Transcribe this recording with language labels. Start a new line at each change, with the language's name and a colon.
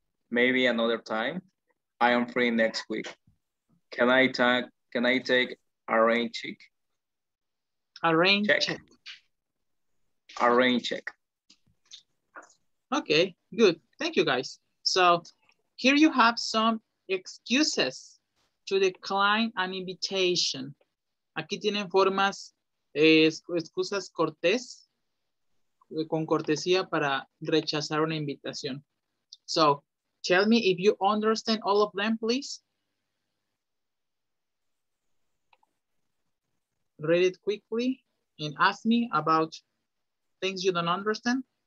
English: Maybe another time. I am free next week. Can I take a rain check? A rain check. Okay, good. Thank you, guys. So here you have some excuses to decline an invitation.
Spanish: Aquí tienen formas, excusas cortés, con cortesía para rechazar una invitación.
English: So tell me if you understand all of them, please. Read it quickly and ask me about things you don't understand.